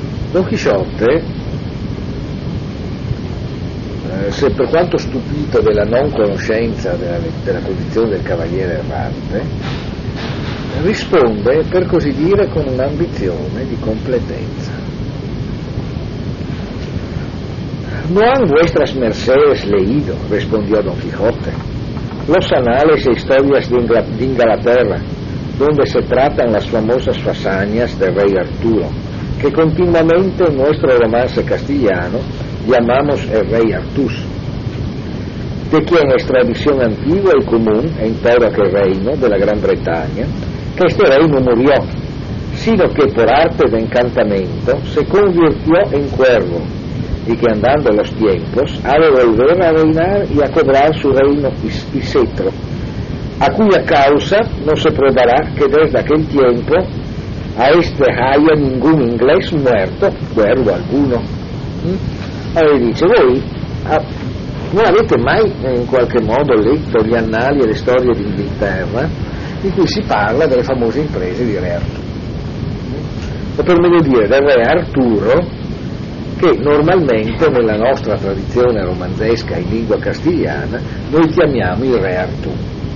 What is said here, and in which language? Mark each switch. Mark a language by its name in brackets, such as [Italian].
[Italian] Don Chisciotte, se per quanto stupito della non conoscenza della condizione del cavaliere errante, risponde, per così dire, con un'ambizione di completezza. [Spanish] No han vuestras mercedes leído, respondió Don Quijote, los anales e historias de Inglaterra, donde se tratan las famosas hazañas del rey Arturo, que continuamente en nuestro romance castellano llamamos el rey Artús, de quien es tradición antigua y común en todo aquel reino de la Gran Bretaña, que este rey no murió, sino que por arte de encantamento se convirtió en cuervo, y que andando los tiempos ha de volver a reinar y a cobrar su reino y cetro, a cuya causa no se probará que desde aquel tiempo a este haya ningún inglés muerto, cuervo alguno. Ahí dice: voi [Italian] non avete mai in qualche modo letto gli annali e le storie d'Inghilterra in cui si parla delle famose imprese di Re Arturo, o per meglio dire del Re Arturo, che normalmente nella nostra tradizione romanzesca in lingua castigliana noi chiamiamo il Re Arturo.